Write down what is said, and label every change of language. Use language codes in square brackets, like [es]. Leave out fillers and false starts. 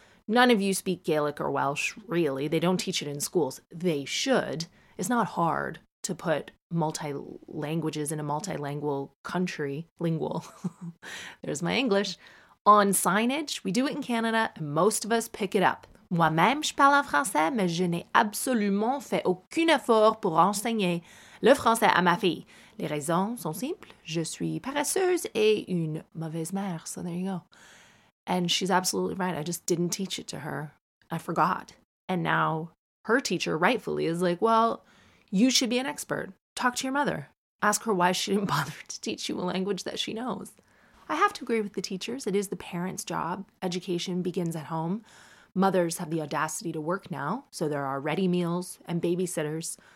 [en] None of you speak Gaelic or Welsh, really. They don't teach it in schools. They should. It's not hard to put multi-languages in a multilingual country. Lingual. There's my English. On signage, we do it in Canada, and most of us pick it up. [fr] Moi-même, je parle en français, mais je n'ai absolument fait aucun effort pour enseigner le français à ma fille. Les raisons sont simples. Je suis paresseuse et une mauvaise mère. [en] So there you go. And she's absolutely right. I just didn't teach it to her. I forgot. And now her teacher, rightfully, is like, well, you should be an expert. Talk to your mother. Ask her why she didn't bother to teach you a language that she knows. I have to agree with the teachers. It is the parents' job. Education begins at home. Mothers have the audacity to work now, so there are ready meals and babysitters.